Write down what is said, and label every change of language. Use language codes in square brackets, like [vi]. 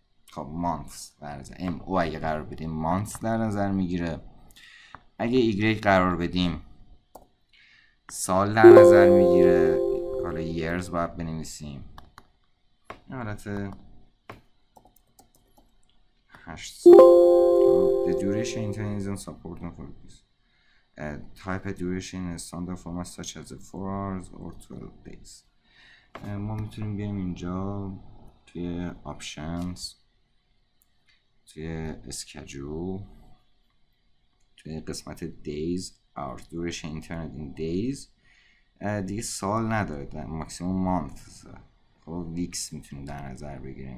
[fa] خب مانتس در نظر ام او اگه قرار بدیم مانتس در نظر میگیره، اگه ایگریک قرار بدیم سال در نظر میگیره، حالا years باید بنویسیم، این حالت 8 سال. [en] The duration intensity and support for this type of duration is standard format such as 4 hours or 12 days. [fa] ما میتونیم بیاریم اینجا توی options، توی schedule، توی قسمت days، hours، [en] duration internet in days، [fa] دیگه سال نداره، [en] maximum months، [fa] خب weeks میتونیم در نظر بگیریم.